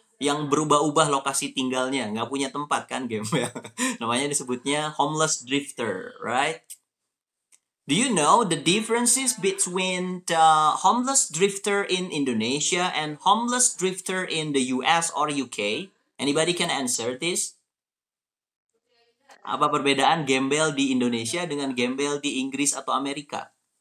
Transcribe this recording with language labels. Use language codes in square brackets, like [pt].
[id] Yang berubah-ubah lokasi tinggalnya, nggak punya tempat kan gembel. Namanya disebutnya homeless drifter, [en] right? Do you know the differences between the homeless drifter in Indonesia and homeless drifter in the US or UK? Anybody can answer this? [id] Apa perbedaan gembel di Indonesia dengan gembel di Inggris atau Amerika?